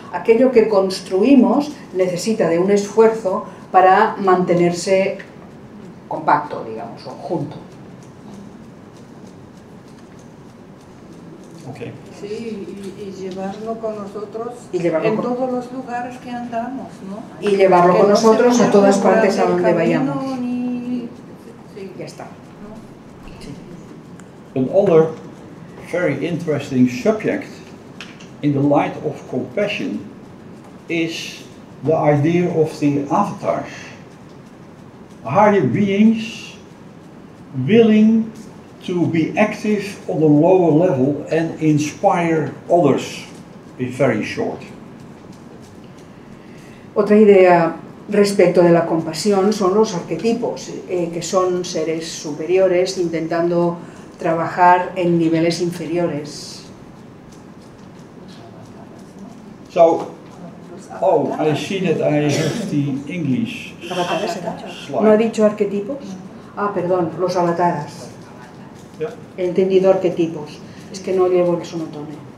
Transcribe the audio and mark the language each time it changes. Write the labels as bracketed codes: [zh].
[es] Aquello que construimos necesita de un esfuerzo para mantenerse compacto, digamos, o junto. [en] Okay. [es] Sí, y llevarlo con nosotros todos los lugares que andamos, ¿no? Y llevarlo con nosotros a todas partes a donde vayamos. Ni... Sí. Ya está. [en] An other very interesting subject in the light of compassion is the idea of the avatars. Are the beings willing to be active on a lower level and inspire others? In very short. [es] Otra idea respecto de la compasión son los arquetipos, que son seres superiores intentando trabajar en niveles inferiores. [en] So, oh, I see that I have the English. [es] ¿No ha dicho arquetipos? Ah, perdón, los avatares. [en] Yeah. [es] He entendido arquetipos. Es que no llevo el sonotone.